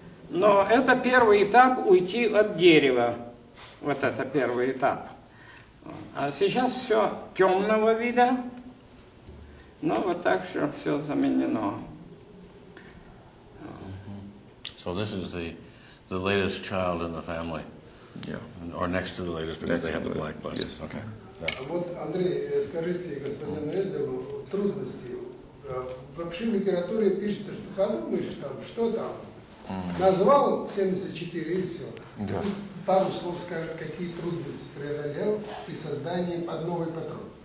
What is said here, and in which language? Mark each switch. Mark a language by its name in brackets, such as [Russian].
[Russian] Но это первый этап уйти от дерева. Вот это первый этап. А сейчас все темного вида. Но вот так что все заменено. [English] So this is the latest child in the family. Yeah. Or next to the latest because they have the black buses. Yes. Okay. [Russian] Yeah. А вот, Андрей, скажите господину Эзелу, трудности. Вообще в литературе пишется, что подумаешь там, что там. Назвал 74 и все. Да. Пару слов скажет, какие трудности преодолел при создании под новый патрон.